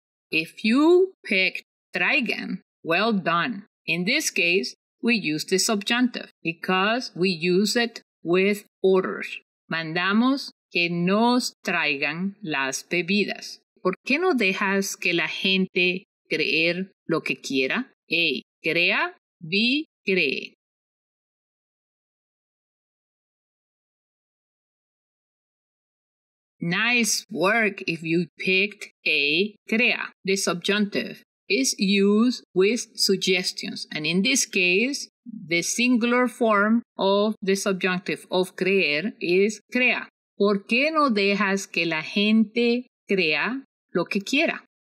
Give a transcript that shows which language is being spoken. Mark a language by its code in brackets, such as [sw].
[en] If you pick traigan, well done. In this case, we use the subjunctive because we use it with orders. [es] Mandamos que nos traigan las bebidas. ¿Por qué no dejas que la gente creer lo que quiera? A. Crea. B. Cree. [en] Nice work if you picked a crea. The subjunctive is used with suggestions. And in this case, the singular form of the subjunctive of creer is crea. [es] ¿Por qué no dejas que la gente crea lo que quiera?